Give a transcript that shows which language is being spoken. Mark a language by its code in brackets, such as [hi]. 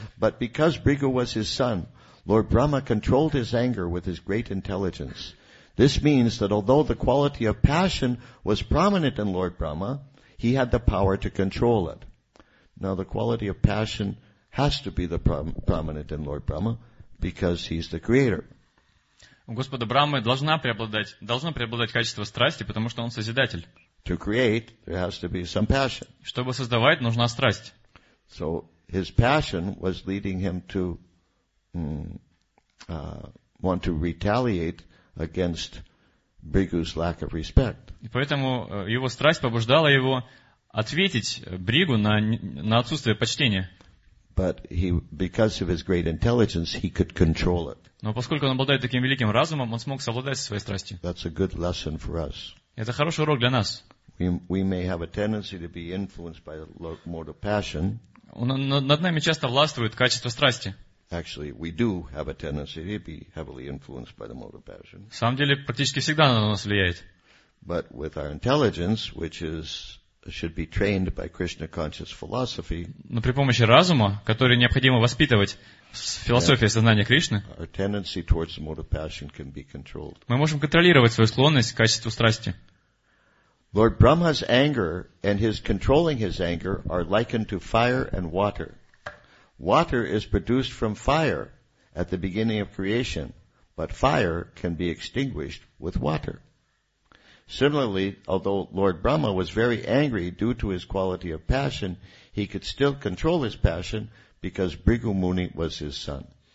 [en] But because Bhrigu was his son, Lord Brahma controlled his anger with his great intelligence. This means that although the quality of passion was prominent in Lord Brahma, he had the power to control it. Now, the quality of passion has to be the prominent in Lord Brahma because he's the creator. [ru] У Господа Брахмы должно преобладать качество страсти, потому что он Созидатель. [en] To create, there has to be some passion. [ru] Чтобы создавать, нужна страсть. [en] So, his passion was leading him to want to retaliate against Bhrigu's lack of respect. [ru] И поэтому его страсть побуждала его ответить Бригу на отсутствие почтения. [en] But he, because of his great intelligence, he could control it. [ru] Но поскольку он обладает таким великим разумом, он смог совладать со своей страстью. [en] That's a good lesson for us. [ru] Это хороший урок для нас. [en] We may have a tendency to be influenced by the mode of passion. [ru] Над нами часто властвует качество страсти. [en] Actually, we do have a tendency to be heavily influenced by the mode of passion. [ru] На самом деле, практически всегда на нас влияет. [en] But with our intelligence, which is should be trained by Krishna conscious philosophy. [ru] Но при помощи разума, который необходимо воспитывать в философии сознания Кришны, [en] our tendency towards the mode of passion can be controlled. [ru] Мы можем контролировать свою склонность к качеству страсти. [en] Lord Brahma's anger and his controlling his anger are likened to fire and water. Water is produced from fire at the beginning of creation, but fire can be extinguished with water. Similarly, although Lord Brahma was very angry due to his quality of passion, he could still control his passion because Bhrigu Muni was his son.